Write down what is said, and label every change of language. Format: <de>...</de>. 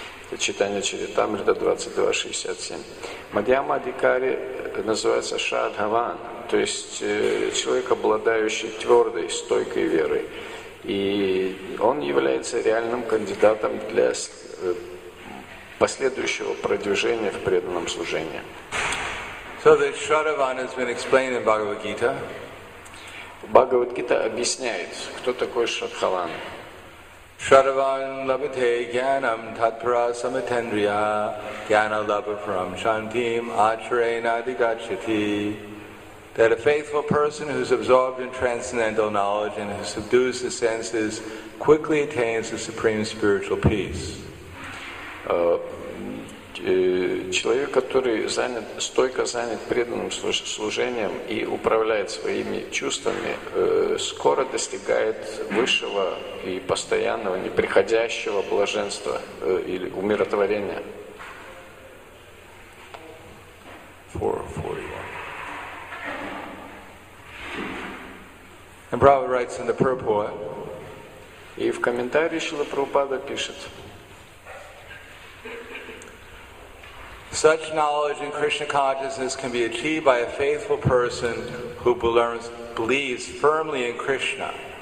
<ru>Это читание Чаритамрита 22.67. Мадьяма Адикари называется Шадхаван, то есть человек, обладающий твердой, стойкой верой. И он является реальным кандидатом для последующего продвижения в преданном служении.</ru> <en>So the Shadhavan has been explained in Bhagavad Gita.</en> <ru>Bhagavad Gita объясняет, кто такой Шадхаван.</ru> <sa>Shadhavan labhate jnanam tatpara samatendriya jnana labha from shantim acharena adigachati.</sa> <en>That a faithful person who is absorbed in transcendental knowledge and who subdues the senses quickly attains the supreme spiritual peace.</en> <ru>Человек, который занят, стойко занят преданным служением и управляет своими чувствами, скоро достигает высшего и постоянного, неприходящего блаженства или умиротворения.</ru> <en>4.41. And Prabhupada writes in the purport.</en> <ru>И в комментарии Шрила Прабхупада пишет.</ru> <en>Such knowledge in Krishna consciousness can be achieved by a faithful person who believes firmly in Krishna.</en>